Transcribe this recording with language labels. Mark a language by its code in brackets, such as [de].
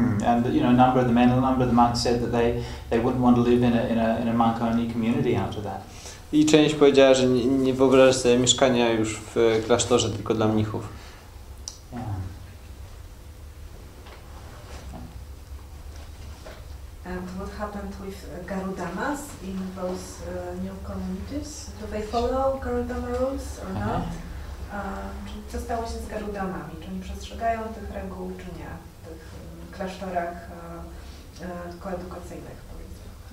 [en] And you know, a number of the monks said that they wouldn't want to live in a monk-only community after that. [pl] I część powiedziała, że nie wyobraża sobie mieszkania już w klasztorze tylko dla mnichów. [en] And what happened with Garudamas in those new communities? Do they follow Garudama rules or not? [pl] Co stało się z Garudamami? Czy oni przestrzegają tych reguł, czy nie? W tych klasztorach koedukacyjnych, powiedzmy.